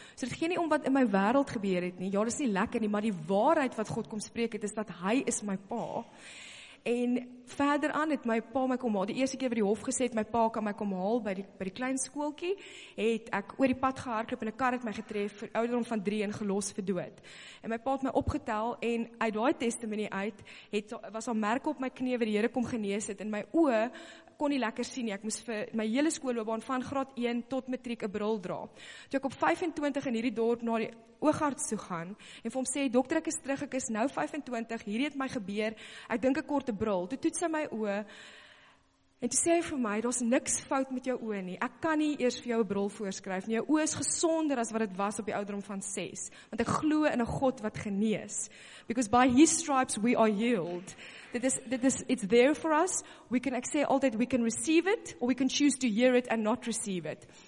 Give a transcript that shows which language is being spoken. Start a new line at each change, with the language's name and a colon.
Afrikaans: So dit gee nie om wat in my wêreld gebeur het nie. Ja, dis nie lekker nie, maar die waarheid wat God kom spreek het is dat hy is my pa. En verder aan het my pa my kom haal. Die eerste keer wat die hof gesê het, my pa kan my kom haal by die klein skooltjie, het ek oor die pad gehardloop en 'n kar het my getref vir ouderdom van 3 en gelos vir dood. En my pa het my opgetel en uit daai testimony uit was al merke op my knie waar die Here kom genees het en my oë kon nie lekker sien nie. Ek moes vir my hele skoolloopbaan van graad 1 tot matriek 'n bril dra. Toe ek op 25 in hierdie dorp na die oogarts toe gaan en vir hom sê, dokter, ek is terug, ek is nou 25, hierdie het my gebeur, ek dink ek kort 'n bril. Toe toets hy my oë en toe sê hy vir my, daar's niks fout met jou oë nie. Ek kan nie eers vir jou 'n bril voorskryf nie. Jou oë is gesonder as wat het was op die ouderdom van 6. Want ek glo in 'n God wat genees.
English: Because by his stripes we are healed. That is, it's there for us. We can say all that we can receive it, or we can choose to hear it and not receive it.